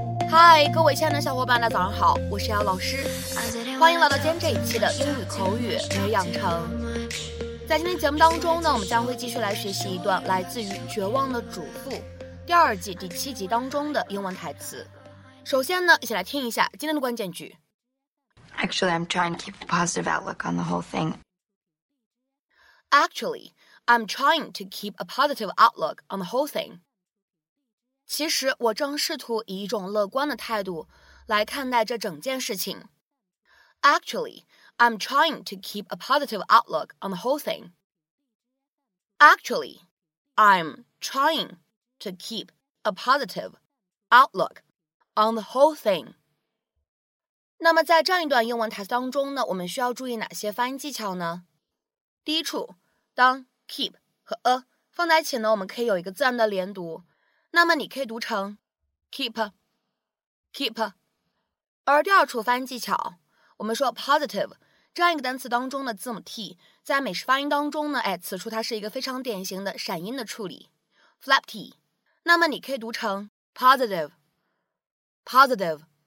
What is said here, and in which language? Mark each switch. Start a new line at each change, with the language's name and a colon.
Chinese: 嗨，各位亲爱的小伙伴，大家早上好，我是姚老师，欢迎来到今天这一期的英语口语每日养成。在今天节目当中呢，我们将会继续来学习一段来自于《绝望的主妇》第二季第七集当中的英文台词。首先呢，一起来听一下今天的关键句。
English: Actually, I'm trying to keep a positive outlook on the whole thing. Actually, I'm trying to keep a positive outlook on the whole thing.
Chinese: 其实我正试图以一种乐观的态度来看待这整件事情。
English: Actually, I'm trying to keep a positive outlook on the whole thing. Actually, I'm trying to keep a positive outlook on the whole thing.
Chinese: 那么在这样一段英文台词当中呢，我们需要注意哪些发音技巧呢？第一处，当 keep 和 a 放在一起呢，我们可以有一个自然的连读，那么你可以读成 keep keep。而第二处发音技巧，我们说 positive 这样一个单词当中的字母 t 在美式发音当中呢，哎，此处它是一个非常典型的闪音的处理 flap t， 那么你可以读成 positive positive。